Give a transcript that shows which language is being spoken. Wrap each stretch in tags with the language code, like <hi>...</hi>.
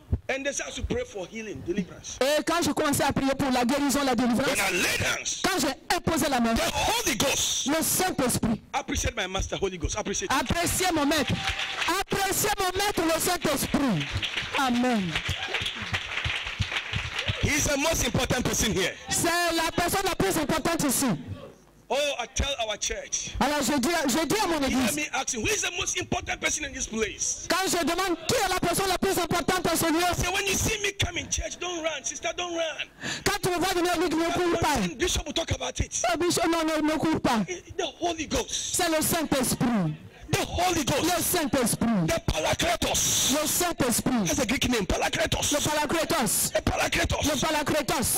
<en>And they started to pray for healing, deliverance.</en> <fr>Et quand je commençais à prier pour la guérison, la délivrance.</fr> <en>When I laid hands.</en> <fr>Quand j'ai imposé la main.</fr> <en>The Holy Ghost.</en> <fr>Le Saint-Esprit.</fr> <en>Appreciate my master, Holy Ghost. Appreciate.</en> <fr>Appréciez mon maître. Appréciez mon maître, le Saint-Esprit. Amen.</fr> <en>He's the most important person here.</en> <fr>C'est la personne la plus importante ici.</fr> <en>Oh, I tell our church.</en> <fr>Alors je dis à mon église.</fr> <en>Hear me asking, who is the most important person in this place?</en> <fr>Quand je demande qui est la personne la plus importante en ce lieu.</fr> <en>Say when you see me coming church, don't run, sister, don't run.</en> <fr>Quand tu me vois venir à l'église, ne cours pas.</fr> <en>Bishop will talk about it.</en> <fr>Bishop, non, ne cours pas.</fr> <en>The Holy Ghost.</en> <fr>C'est le Saint-Esprit.</fr> <en>the Holy Ghost,</en> <fr>le Saint-Esprit,</fr> <en>the Paracletos,</en> <fr>le Saint-Esprit,</fr> <en>that's a Greek name, Paracletos,</en> <fr>le Paracletos,</fr> <en>the Paracletos,</en> <fr>le Paracletos,</fr>